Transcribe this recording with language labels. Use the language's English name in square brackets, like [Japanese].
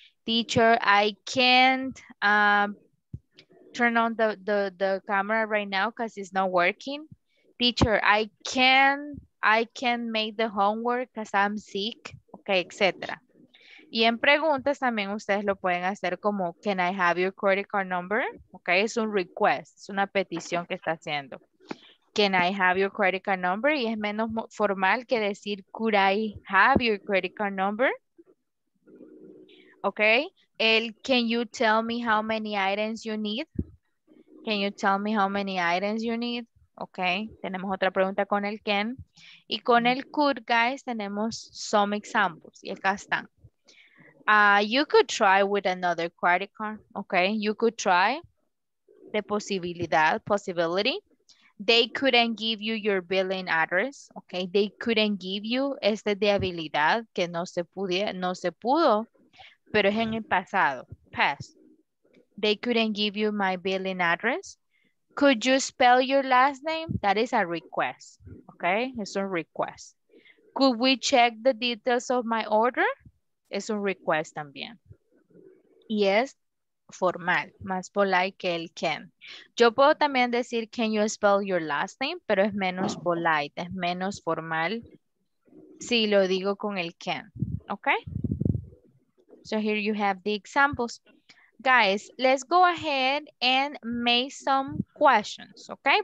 [English] Teacher, I can't turn on the camera right now because it's not working. Teacher, I can't. I can't make the homework because I'm sick, okay, etc. [Spanish] Y en preguntas también ustedes lo pueden hacer como, [English] can I have your credit card number? [Spanish] Okay, es un request, es una petición que está haciendo. [English] Can I have your credit card number? [Spanish] Y es menos formal que decir, [English] could I have your credit card number? Okay, el, can you tell me how many items you need? Can you tell me how many items you need? [Spanish] Ok, tenemos otra pregunta con el can. Y con el could, guys, tenemos [English] some examples. [Spanish] Y acá están. [English] You could try with another credit card. Ok, you could try. [Spanish] De posibilidad, [English] possibility. They couldn't give you your billing address. Ok, they couldn't give you. [Spanish] Este de habilidad que no se pudiera, no se pudo. Pero es en el pasado. [English] Past. They couldn't give you my billing address. Could you spell your last name? That is a request, okay? It's a request. Could we check the details of my order? [Spanish] Es un request también. Y es formal, más polite que el can. Yo puedo también decir, [English] can you spell your last name? [Spanish] Pero es menos polite, es menos formal si lo digo con el can, okay? [English] So here you have the examples. Guys, let's go ahead and make some questions, ¿ok?